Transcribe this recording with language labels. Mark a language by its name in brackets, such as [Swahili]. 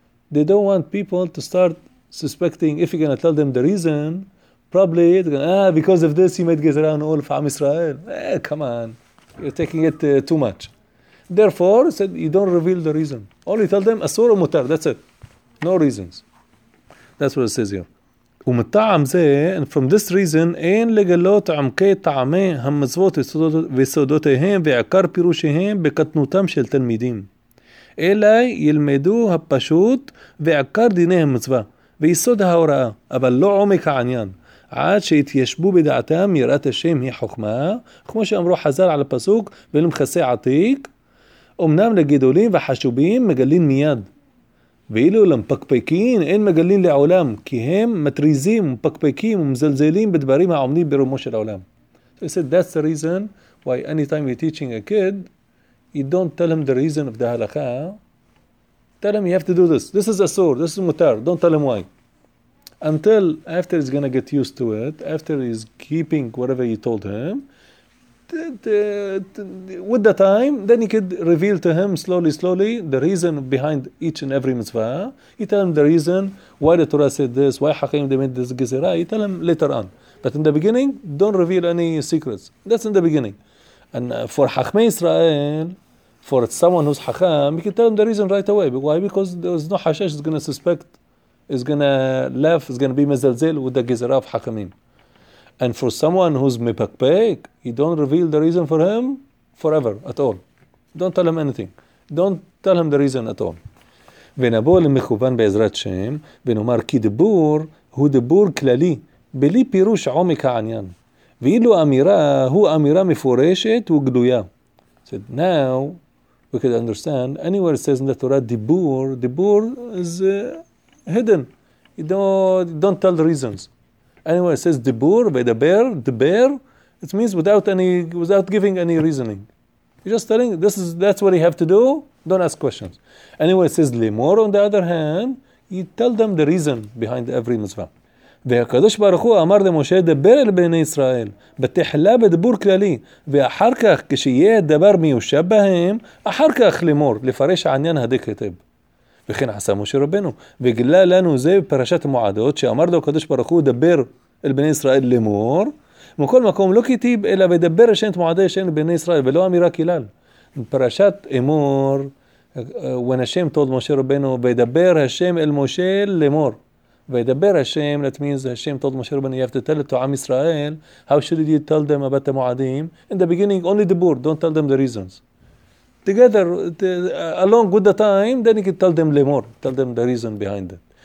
[English] They don't want people to start suspecting. If you're going to tell them the reason, probably it's going to, because of this, you made gezerah on all of Am Israel. Come on. You're taking it too much. Therefore, said you don't reveal the reason. Only tell them asur umutar. That's it. No reasons. That's what it says here. And from this reason, [Hebrew] אין לגלות עמקי טעמי המצוות וסודותיהם ועקר פירושיהם בקטנותם של תלמידים. אלא ילמדו הפשוט ועקר דיני המצווה ויסוד ההוראה, אבל לא עומק העניין. עד שהתיישבו בדעתם יראת השם היא חוכמה, כמו שאמרו חזר על הפסוק ולמחסי עתיק, אמנם לגדולים וחשובים מגלים מיד. ואילו למפקפקין אין מגלין לעולם, כי הם מטריזים, מפקפקים ומזלזלים בדברים העומדים ברומו של העולם. [English] So he said, that's the reason why anytime you're teaching a kid, you don't tell him the reason of the halakha. Tell him you have to do this. This is asur, this is mutar. Don't tell him why. Until after he's going to get used to it, after he's keeping whatever you told him, with the time, then you could reveal to him slowly, slowly, the reason behind each and every mitzvah. You tell him the reason, why the Torah said this, why Hakim they made this gezerah. You tell him later on. But in the beginning, don't reveal any secrets. That's in the beginning. And for Chachmei Israel, for someone who's Chacham, you can tell him the reason right away. Why? Because there's no Hashash is going to suspect, is going to laugh, is going to be mezalzel with the gezerah of Chachamim. And for someone who's mepakpek, you don't reveal the reason for him forever at all. Don't tell him anything. Don't tell him the reason at all. [Hebrew] ונבוא למכוון בעזרת שם, ונאמר כי דיבור הוא דיבור כללי, בלי פירוש עומק העניין. ואילו אמירה הוא אמירה מפורשת וגלויה. [English] So now we could understand, anywhere it says in the Torah, דיבור, דיבור is hidden. You don't tell the reasons. Anyway, it says dibur, vedaber, dibur. It means without giving any reasoning. You're just telling, that's what you have to do. Don't ask questions. Anyway, it says limor, on the other hand, you tell them the reason behind every mitzvah. [Hebrew] והקדוש ברוך הוא אמר למשה, דבר אל בני ישראל, בתחלה בדיבור כללי, ואחר כך, כשיהיה דבר מיושב בהם, אחר כך למור, לפרש העניין הדק היטב. וכן עשה משה רבנו, וגלה לנו זה בפרשת המועדות, שאמר לו הקדוש ברוך הוא, דבר אל בני ישראל למור, מכל מקום לא כתיב, אלא ודבר השם את מועדי השם לבני ישראל, ולא אמירה כלל. [English] בפרשת אמור, when השם told משה רבנו, [Hebrew] וידבר השם אל משה למור, וידבר השם, [English] that means השם told משה רבנו, you have to tell it to עם ישראל, how should you tell them about the מועדים? In the beginning, only the board, don't tell them the reasons. Together, along with the time, then you can tell them lemor, tell them the reason behind it.